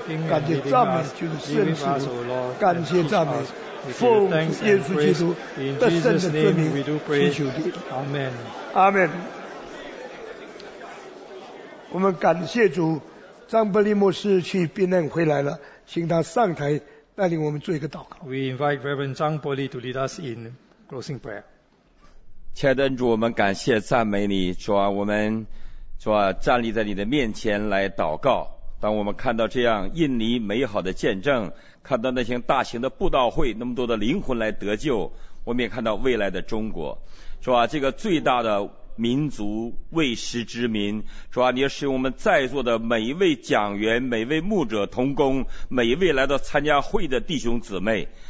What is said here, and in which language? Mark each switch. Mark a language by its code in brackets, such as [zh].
[zh] 感谢赞美就是圣事，感谢赞美，奉耶稣基督得胜的尊名祈求的，阿门，阿门。我们感谢主，张伯利牧师去避难回来了，请他上台带领我们做一个祷告。 [en] We invite Reverend Zhang Boli to lead us in closing prayer. [zh] 亲爱的恩主，我们感谢赞美你，主啊，我们主啊站立在你的面前来祷告。当我们看到这样印尼美好的见证，看到那些大型的布道会，那么多的灵魂来得救，我们也看到未来的中国，主啊，这个最大的民族未识之民，主啊，你要使用我们在座的每一位讲员、每一位牧者同工、每一位来到参加会的弟兄姊妹，